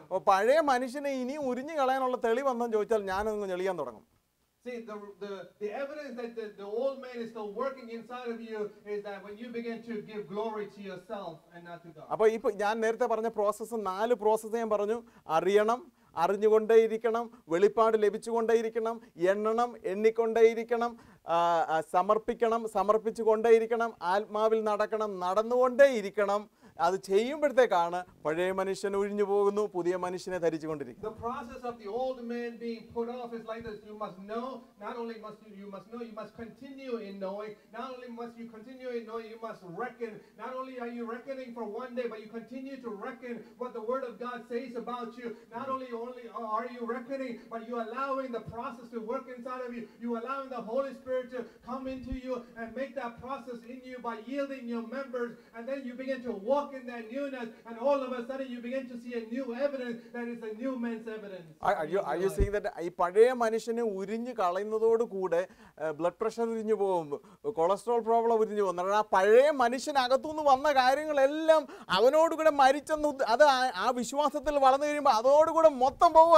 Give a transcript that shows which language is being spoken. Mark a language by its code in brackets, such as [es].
[ml] പഴയ മനുഷ്യനെ ഇനി ഉരിഞ്ഞു കളയാനുള്ള തെളിവ് എന്താണെന്ന് ചോദിച്ചാൽ ഞാൻ അതൊന്ന് ഞെളിയാൻ തുടങ്ങും. [en] See, the evidence that the old man is still working inside of you is that when you begin to give glory to yourself and not to God. [ml] അപ്പോൾ ഇപ്പോ ഞാൻ നേരത്തെ പറഞ്ഞ പ്രോസസ്സ്, നാല് പ്രോസസ്സ് ഞാൻ പറഞ്ഞു. അറിയണം, അറിഞ്ഞുകൊണ്ടേയിരിക്കണം, വെളിപ്പാട് ലഭിച്ചുകൊണ്ടേയിരിക്കണം, എണ്ണണം, എണ്ണിക്കൊണ്ടേയിരിക്കണം, സമർപ്പിക്കണം, സമർപ്പിച്ചുകൊണ്ടേയിരിക്കണം, ആത്മാവിൽ നടക്കണം, നടന്നുകൊണ്ടേയിരിക്കണം. അത് ചെയ്യുമ്പോഴത്തേക്കാണ് പഴയ മനുഷ്യൻ ഒഴിഞ്ഞു പോകുന്നു, പുതിയ മനുഷ്യനെ ധരിച്ചുകൊണ്ടിരിക്കുന്നു. [en] The process of the old man being put off is like this. You must know, not only must you must know, you must continue in knowing. Not only must you continue in knowing, you must reckon. Not only are you reckoning for one day, but you continue to reckon what the word of God says about you. Not only are you reckoning, but you allowing the process to work inside of you. You allowing the Holy Spirit to come into you and make that process in you by yielding your members, and then you begin to walk in that newness, and all of a sudden you begin to see a new evidence that is a new man's evidence. Are you saying that [ml] ഈ പഴയ മനുഷ്യനെ ഉരിഞ്ഞു കളയുന്നതോട് കൂടെ blood pressure ഉരിഞ്ഞു പോകും, cholesterol problem ഉരിഞ്ഞു പോകും? ആ പഴയ മനുഷ്യനകത്തുനിന്ന് വന്ന കാര്യങ്ങളെല്ലാം അവനോടുകൂടെ മരിച്ചെന്ന് അത് ആ വിശ്വാസത്തിൽ വളർന്നു കഴിയുമ്പോൾ അതോടുകൂടെ മൊത്തം